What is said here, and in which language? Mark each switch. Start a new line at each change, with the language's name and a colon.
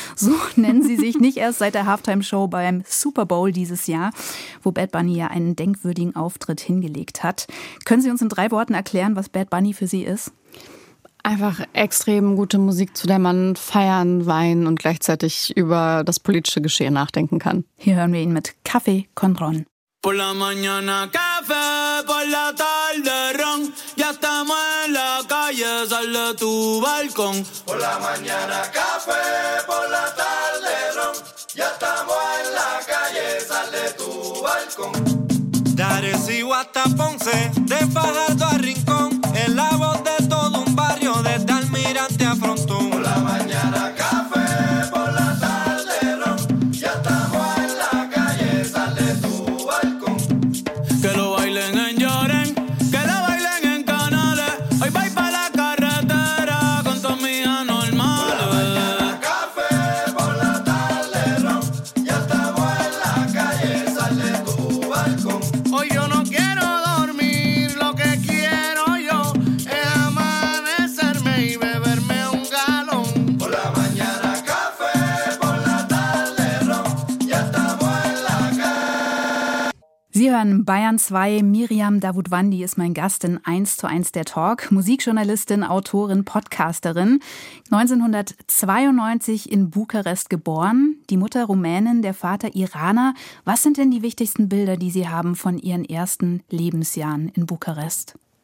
German: So nennen sie sich nicht erst seit der Halftime-Show beim Super Bowl dieses Jahr, wo Bad Bunny ja einen denkwürdigen Auftritt hingelegt hat. Können Sie uns in 3 Worten erklären, was Bad Bunny für Sie ist? Einfach extrem gute Musik, zu der man feiern, weinen und gleichzeitig über das politische Geschehen nachdenken kann. Hier hören wir ihn mit Café con Ron.
Spanish: Por la mañana café, por la tarde ron. Ya estamos en la calle, sal de tu balcón. Por la mañana café, por la tarde ron. Ya estamos en la calle, sal de tu balcón. De Arecibo hasta Ponce, de Fajardo a Rincón. En la voz de todo un barrio, desde Almirante a Frontón. Por la mañana café, por la tarde ron. Ya estamos en la calle, sal de tu balcón. Que lo bailen en Lloren, que lo bailen en Canales. Hoy voy pa' la carretera con todos mis anormales. Por la mañana café, por la tarde ron. Ya estamos en la calle, sal de tu balcón. Hoy yo no quiero dormir, lo que quiero yo es amanecerme y beberme un galón. Por la mañana café, por la tarde ron. Ya estamos en la calle.
German: Sie hören Bayern 2. Miriam Davutwandi ist mein Gast in 1:1 der Talk. Musikjournalistin, Autorin, Podcasterin. 1992 in Bukarest geboren. Die Mutter Rumänin, der Vater Iraner. Was sind denn die wichtigsten Bilder, die Sie haben von Ihren ersten Lebensjahren in Bukarest?